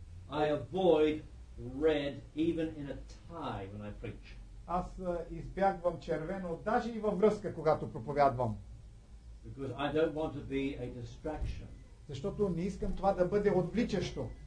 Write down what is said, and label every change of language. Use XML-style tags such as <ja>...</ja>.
<en>I avoid red even in a tie when I preach.</en> <bg>Аз избягвам червено даже и във връзка, когато проповядвам.</bg> <en>Because I don't want to be a distraction.</en> <bg>Защото не искам това да бъде отвличащо.</bg>